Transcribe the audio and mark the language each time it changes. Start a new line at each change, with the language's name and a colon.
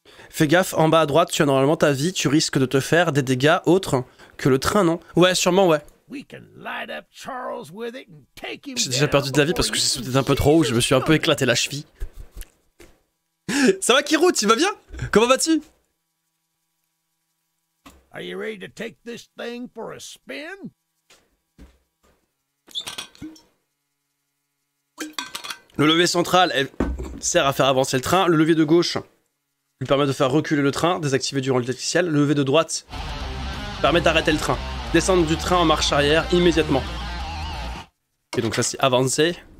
French: Fais gaffe, en bas à droite, tu as normalement ta vie, tu risques de te faire des dégâts autres que le train, non? Ouais, sûrement, ouais.
English: We can light up Charles with it and take him.
French: J'ai déjà perdu de la vie parce que c'était un peu trop haut, je me suis un peu éclaté la cheville. Ça va Kirou, tu vas bien? Comment vas-tu?
English: Are you ready to take this thing for a spin?
French: Le levier central sert à faire avancer le train. Le levier de gauche lui permet de faire reculer le train, désactiver durant le déficiel. Le levier de droite permet d'arrêter le train. Descendre du train en marche arrière immédiatement. Et donc ça c'est avancer.